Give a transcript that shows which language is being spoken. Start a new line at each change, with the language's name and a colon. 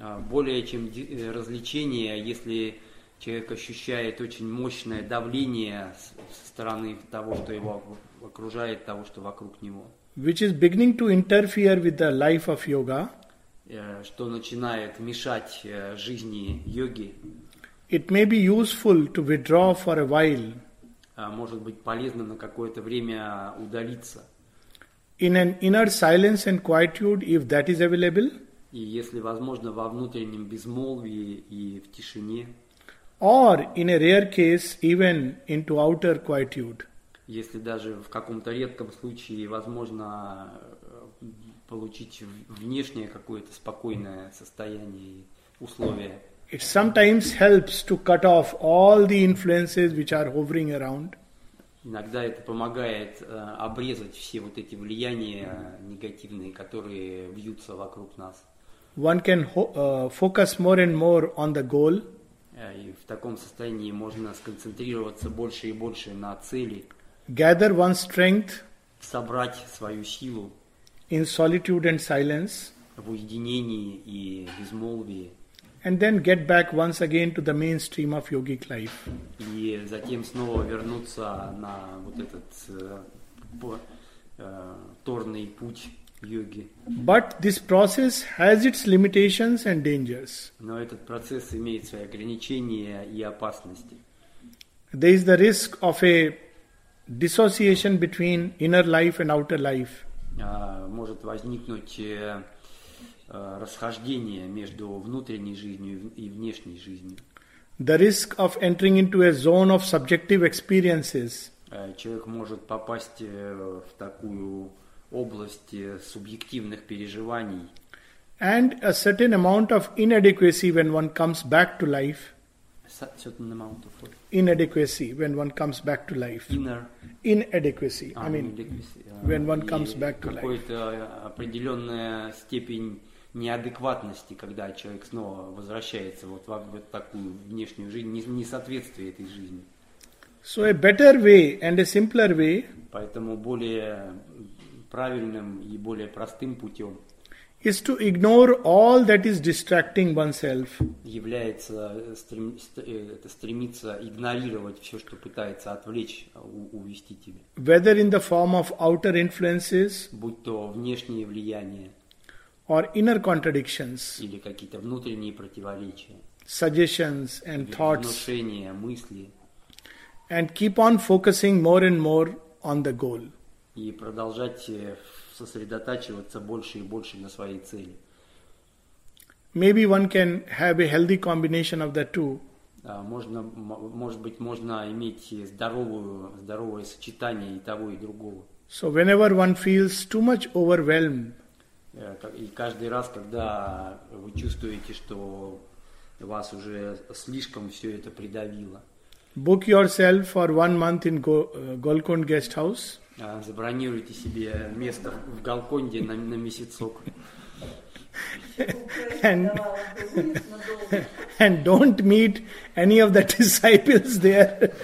Russian: Более чем развлечение, если человек ощущает очень мощное давление со стороны того, что его окружает, того, что вокруг него.
English: Which is beginning to interfere with the life of yoga.
Russian: Что начинает мешать жизни йоги.
English: It may be useful to withdraw for a while.
Russian: Может быть полезно на какое-то время удалиться.
English: In an inner silence and quietude, if that is available.
Russian: И если возможно во внутреннем безмолвии и в тишине.
English: Or in a rare case, even into outer quietude.
Russian: Если даже в каком-то редком случае возможно получить внешнее какое-то спокойное состояние и условие.
English: It sometimes helps to cut off all the influences which are hovering around.
Russian: Иногда это помогает обрезать все вот эти влияния негативные, которые вьются вокруг нас.
English: One can focus more and more on the goal.
Russian: И в таком состоянии можно сконцентрироваться больше и больше на цели.
English: Gather one's strength,
Russian: собрать свою силу,
English: in solitude and silence,
Russian: в уединении и безмолвии,
English: and then get back once again to the mainstream of yogic life.
Russian: И затем снова вернуться на вот этот торный путь йоги.
English: But this process has its limitations and dangers.
Russian: Но этот процесс имеет свои ограничения и опасности.
English: There is the risk of a dissociation between inner life and outer life.
Russian: Может возникнуть расхождение между внутренней жизнью и внешней жизнью.
English: The risk of entering into a zone of subjective experiences.
Russian: Человек может попасть в такую область субъективных переживаний.
English: And a certain amount of inadequacy when one comes back to life. Certain amount of inadequacy when one comes back to life. Inner inadequacy. I mean, when one comes back to life.
Russian: Какой-то определенная степень неадекватности, когда человек снова возвращается вот в такую внешнюю жизнь, не соответствие этой жизни.
English: So a better way and a simpler way.
Russian: Поэтому более правильным и более простым путем.
English: Is to ignore all that is distracting oneself.
Russian: Является стремиться игнорировать все, что пытается отвлечь, увести тебя.
English: Whether in the form of outer influences,
Russian: будь то внешние влияния,
English: or inner contradictions,
Russian: или какие-то внутренние противоречия,
English: suggestions and thoughts,
Russian: внушения, мысли,
English: and keep on focusing more and more on the goal.
Russian: И продолжать сосредотачиваться больше и больше на своей цели.
English: Maybe one can have a healthy combination of the two.
Russian: Может быть, можно иметь здоровое сочетание и того, и другого.
English: So whenever one feels too much overwhelmed.
Russian: И каждый раз, когда вы чувствуете, что вас уже слишком все это придавило.
English: Book yourself for 1 month in Golconda guest house.
Russian: Забронируйте себе место в Голконде на месяцок.
English: And don't meet any of the disciples there.